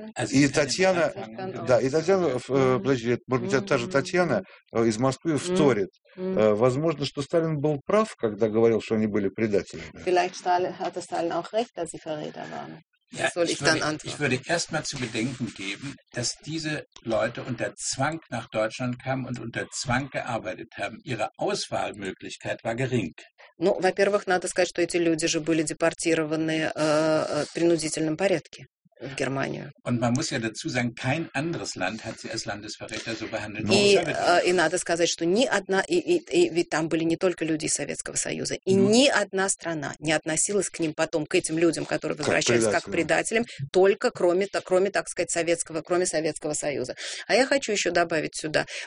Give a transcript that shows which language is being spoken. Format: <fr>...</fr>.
<ru>И Татьяна из Москвы вторит. Возможно, что Сталин был прав, когда говорил, что они были предателями.</ru> <de>Ich würde erst mal zu bedenken geben, dass diese Leute unter Zwang nach Deutschland kamen und unter Zwang gearbeitet haben. Ihre Auswahlmöglichkeit war gering.</de> <ru>Ну, во-первых, надо сказать, что эти люди же были депортированы принудительном порядке. В Германию.</ru> <de>Und man muss ja dazu sagen, kein anderes Land hat sie als Landesverräter so behandelt.</de> <ru>И надо сказать, что ни одна, и ведь там были не только люди из Советского Союза, и ни одна страна не относилась к ним потом, к этим людям, которые возвращались как предателям, только кроме Советского Союза. А я хочу еще добавить сюда.</ru>